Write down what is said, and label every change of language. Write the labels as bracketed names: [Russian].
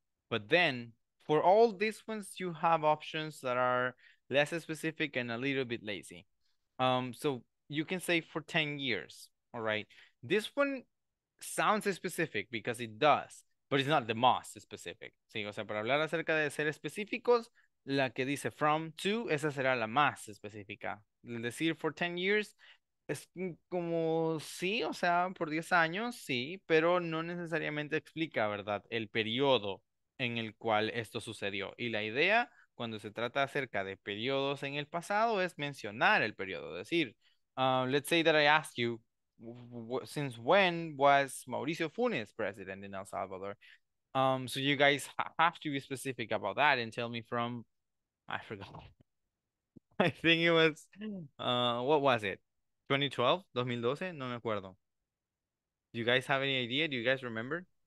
[English] But then for all these ones, you have options that are less specific and a little bit lazy. So you can say for 10 years, all right? This one sounds specific because it does, but it's not the most specific. [Spanish] Sí, o sea, para hablar acerca de ser específicos, la que dice from to, esa será la más específica. El decir [English] for 10 years [Spanish] es como sí, o sea, por 10 años, sí, pero no necesariamente explica, ¿verdad?, el periodo en el cual esto sucedió. Y la idea, cuando se trata acerca de periodos en el pasado, es mencionar el periodo. Es decir, [English] let's say that I ask you, since when was Mauricio Funes president in El Salvador? So you guys have to be specific about that and tell me from, I forgot. I think it was, what was it? 2012? 2012? [Spanish] No me acuerdo. [English] Do you guys have any idea? Do you guys remember?